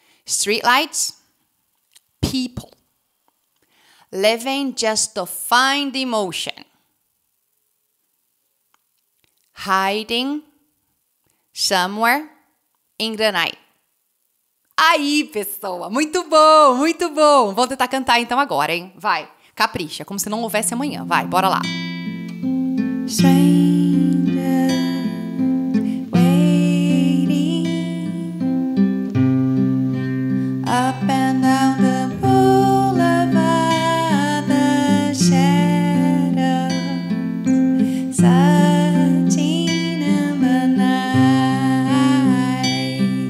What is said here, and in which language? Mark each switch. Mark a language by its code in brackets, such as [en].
[en] Streetlights, people. Living just to find emotion. Hiding somewhere in the night. [pt] Aí, pessoa. Muito bom, muito bom. Vou tentar cantar então agora, hein? Vai. Capricha, como se não houvesse amanhã. Vai, bora lá. [en] Stranger waiting up and down the boulevard, the shadows searching in the night.